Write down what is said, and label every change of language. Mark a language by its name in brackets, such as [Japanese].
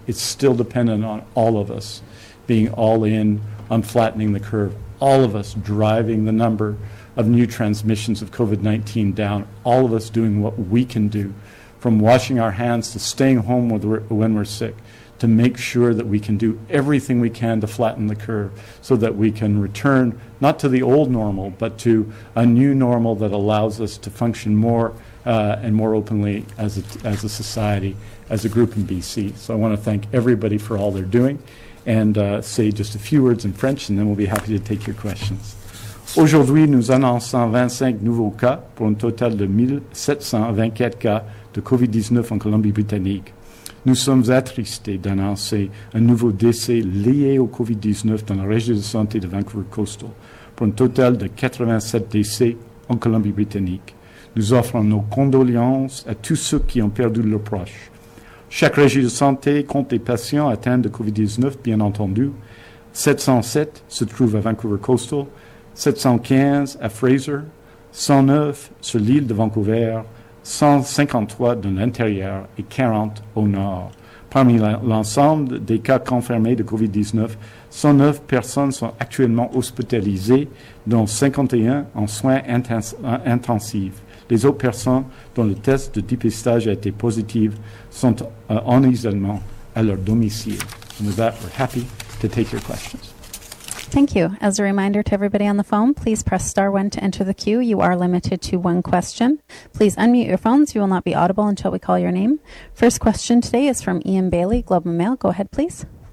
[English] It's still dependent on all of us being all in on flattening the curve, all of us driving the number of new transmissions of COVID-19 down, all of us doing what we can do, from washing our hands to staying home when we're sick, to make sure that we can do everything we can to flatten the curve so that we can return not to the old normal, but to a new normal that allows us to function more and more openly as a society, as a group in BC. So I want to thank everybody for all they're doing and say just a few words in French, and then we'll be happy to take your questions. [French] Aujourd'hui, nous annonçons 25 nouveaux cas pour un total de 1724 cas de COVID-19 en Colombie-Britannique. Nous sommes attristés d'annoncer un nouveau décès lié au COVID-19 dans la région de santé de Vancouver Coastal, pour un total de 87 décès en Colombie-Britannique. Nous offrons nos condoléances à tous ceux qui ont perdu leurs proches. Chaque région de santé compte des patients atteints de COVID-19, bien entendu. 707 se trouvent à Vancouver Coastal, 715 à Fraser, 109 sur l'île de Vancouver, 153 dans l'intérieur et 40 au nord. Parmi l'ensemble des cas confirmés de COVID-19, 109 personnes sont actuellement hospitalisées, dont 51 en soins intensifs. Les autres personnes dont le test de dépistage a été positif sont en isolement à leur domicile. [English] And with that, we're happy to take your questions. Thank you. As a reminder to everybody on the phone, please press star 1 to enter the queue. You are limited to one question. Please unmute your phones. You will not be audible until we call your name. First question today is from Ian Bailey, Globe and Mail. Go ahead, please.